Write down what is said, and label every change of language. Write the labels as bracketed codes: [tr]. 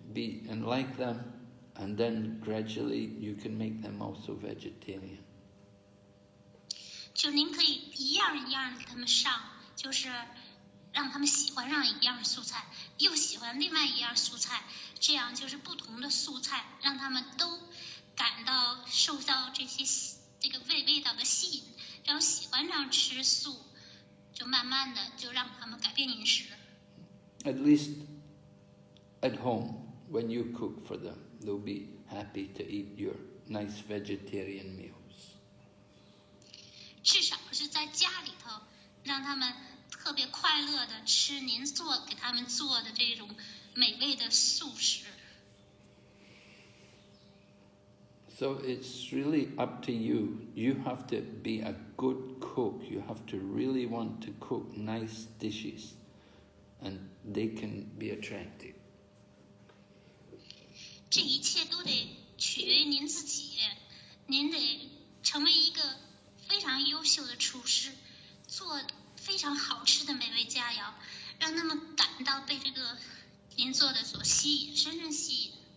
[en] be and like them, and then gradually you can make them also vegetarian. [zh] 就您可以一样一样给他们上，就是让他们喜欢上一样素菜，又喜欢另外一样素菜，这样就是不同的素菜，让他们都感到受到这些这个味道的吸引，然后喜欢上吃素，就慢慢的就让他们改变饮食。 [en] At least at home, when you cook for them, they'll be happy to eat your nice vegetarian meals. [zh] 至少是在家里头，让他们特别快乐的吃您做给他们做的这种美味的素食。 [en] So it's really up to you. You have to be a good cook. You have to really want to cook nice dishes. And they can be attractive. [zh] 这一切都得取决于您自己，您得成为一个非常优秀的厨师，做非常好吃的美味佳肴，让他们感到被这个您做的所吸引，深深吸引。